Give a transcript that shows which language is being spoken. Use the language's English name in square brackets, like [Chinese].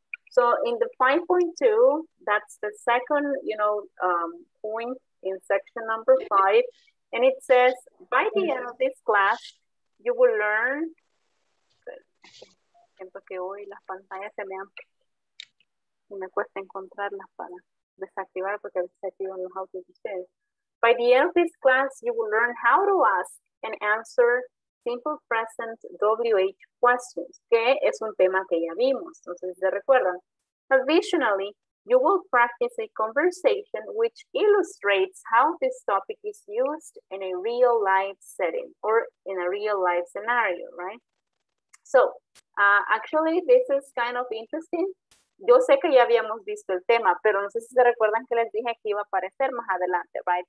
[English] So in the 5.2, that's the second, you know, point in section number 5. And it says, by the end of this class, you will learn. [Spanish] Siento que hoy las pantallas se me han... Me cuesta encontrarlas para desactivar porque se activan los audios de ustedes. [English] By the end of this class, you will learn how to ask and answer simple present WH questions, [Spanish] que es un tema que ya vimos. Entonces, ¿se recuerdan? [English] Additionally, you will practice a conversation which illustrates how this topic is used in a real life setting or in a real life scenario, right? So, actually, this is kind of interesting. [Spanish] yo sé que ya habíamos visto el tema, pero no sé si se recuerdan que les dije que iba a aparecer más adelante, right?